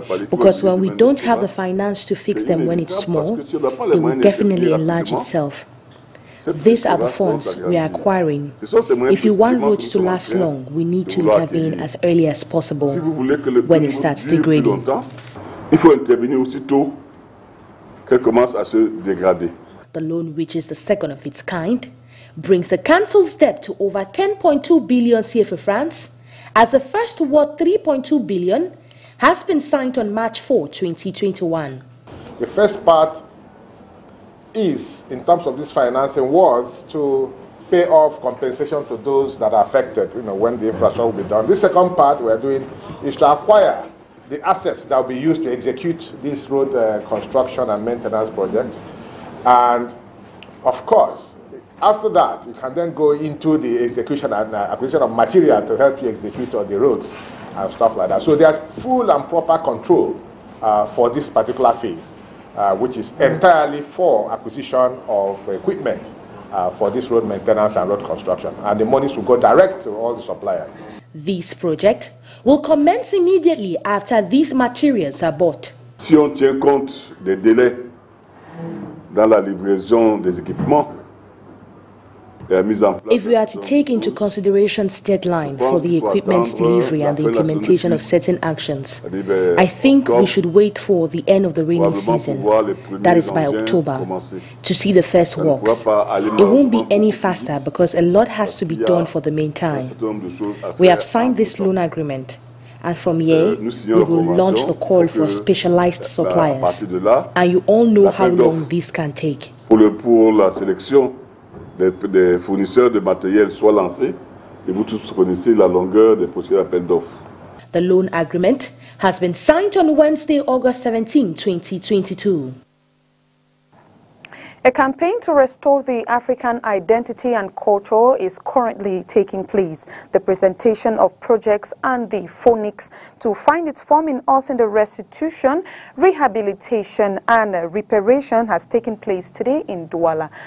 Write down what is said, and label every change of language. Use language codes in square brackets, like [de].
[en] Because when we don't have the finance to fix them when it's small, they will definitely enlarge itself. These are the funds we are acquiring. If you want roads to last long, we need to intervene as early as possible when it starts degrading. [fr] Il faut intervenir aussitôt qu'elle commence à se dégrader. [en] The loan, which is the second of its kind, brings the council's debt to over 10.2 billion CFA francs, as the first worth 3.2 billion has been signed on March 4, 2021. The first part is, in terms of this financing, was to pay off compensation to those that are affected, you know, when the infrastructure will be done. The second part we are doing is to acquire the assets that will be used to execute this road construction and maintenance projects. And, of course, after that, you can then go into the execution and acquisition of material to help you execute all the roads and stuff like that. So there's full and proper control for this particular phase, which is entirely for acquisition of equipment for this road maintenance and road construction. And the monies will go direct to all the suppliers. This project will commence immediately after these materials are bought. [fr] Si on tient compte des délais dans la livraison des équipements et la mise en place. [en] If we are to take into consideration the deadline for the equipment's delivery and the implementation of certain actions, I think we should wait for the end of the rainy season, that is by October, to see the first works. It won't be any faster because a lot has to be done for the meantime. We have signed this loan agreement, and from here, we will launch the call for specialized suppliers. And you all know how long this can take. [fr] Pour la sélection des fournisseurs de matériel soit lancée, et vous tous connaissez la longueur des procédures d'appel d'offres. [en] The loan agreement has been signed on Wednesday, August 17, 2022. A campaign to restore the African identity and culture is currently taking place. The presentation of projects and the phoenix to find its form in us in the restitution, rehabilitation and reparation has taken place today in Douala.